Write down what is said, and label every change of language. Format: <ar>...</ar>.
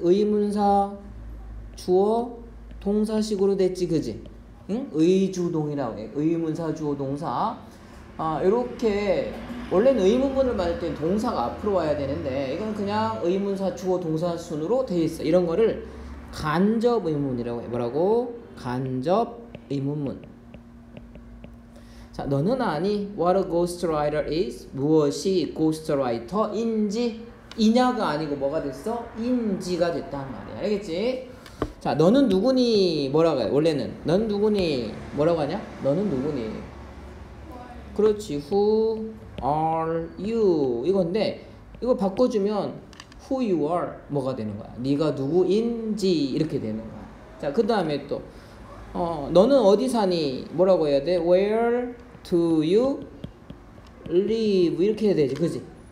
<ko>의문사, 주어, 동사식으로 됐지, 그지? 응? 의주동이라고 해. 의문사, 주어, 동사. 아, 이렇게 원래는 의문문을 만들 때 동사가 앞으로 와야 되는데 이건 그냥 의문사, 주어, 동사 순으로 돼 있어. 이런 거를 간접 의문이라고 해. 뭐라고? 간접 의문문.</ko> <en>자, 너는 아니, what a ghostwriter is?</en> <ko>무엇이 ghostwriter인지? 이냐가 아니고 뭐가 됐어? 인지가 됐단 말이야. 알겠지? 자, 너는 누구니? 뭐라고 해? 원래는 너는 누구니? 뭐라고 하냐? 너는 누구니?</ko> <en>그렇지, who are you?</en> <ko>이건데 이거 바꿔주면 who you are 뭐가 되는 거야? 네가 누구인지 이렇게 되는 거야. 자, 그 다음에 또 너는 어디 사니? 뭐라고 해야 돼? Where do you live? 이렇게 해야 되지, 그지?</ko>